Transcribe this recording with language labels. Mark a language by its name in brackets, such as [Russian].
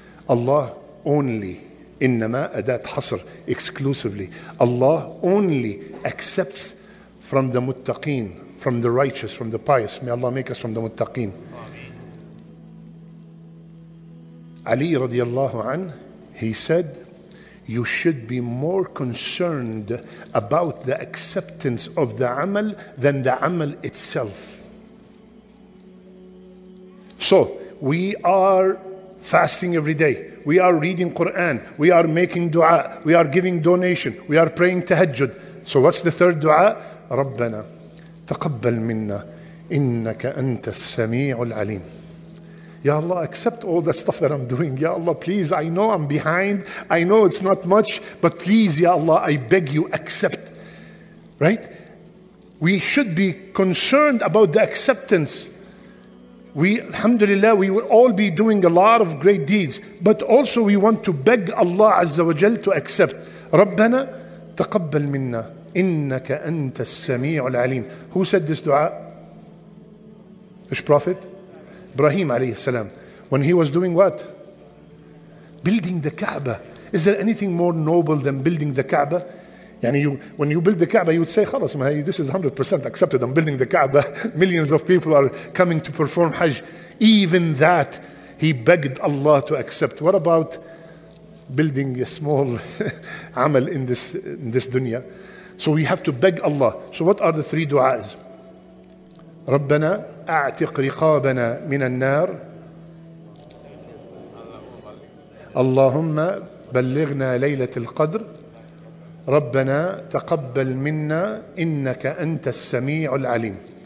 [Arabic] الله only, إنما أداة حصر exclusively. [English] الله only accepts from the متقين, from the righteous, from the pious. May Allah make us from the متقين. Ali رضي الله عنه, he said, you should be more concerned about the acceptance of the amal than the amal itself. So we are fasting every day. We are reading Quran. We are making dua. We are giving donation. We are praying tahajjud. So what's the third dua? [Arabic] ربنا تقبل منا إنك أنت السميع العليم. [English] Ya Allah, accept all the stuff that I'm doing. Ya Allah, please, I know I'm behind. I know it's not much, but please, Ya Allah, I beg you, accept. Right? We should be concerned about the acceptance. We, alhamdulillah, we will all be doing a lot of great deeds, but also we want to beg Allah Azza wa Jal to accept. [Arabic] Rabbana, taqabbal minna, innaka anta as-sami'ul 'alim. [English] Who said this dua? Which prophet? Ibrahim alayhi salam, when he was doing what? Building the Kaaba. Is there anything more noble than building the Kaaba? Yani you, when you build the Kaaba, you would say, "Khalas, this is 100% accepted. I'm building the Kaaba. Millions of people are coming to perform Hajj." Even that, he begged Allah to accept. What about building a small amal in this dunya? So we have to beg Allah. So what are the three du'as? [Arabic] ربنا أعتق رقابنا من النار. اللهم بلغنا ليلة القدر. ربنا تقبل منا إنك أنت السميع العليم.